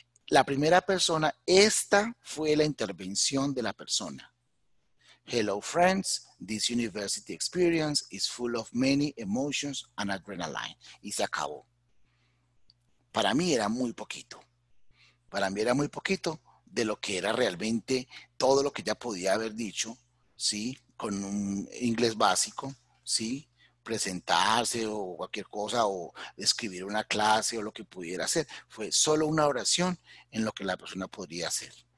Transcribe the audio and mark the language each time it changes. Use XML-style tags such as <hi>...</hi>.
<es>La primera persona, esta fue la intervención de la persona.</es> <en>Hello friends, this university experience is full of many emotions and adrenaline.</en> <es>Y se acabó. Para mí era muy poquito. Para mí era muy poquito de lo que era realmente todo lo que ya podía haber dicho, ¿sí? Con un inglés básico, ¿sí? Presentarse o cualquier cosa o escribir una clase o lo que pudiera hacer, fue solo una oración en lo que la persona podría hacer.</es>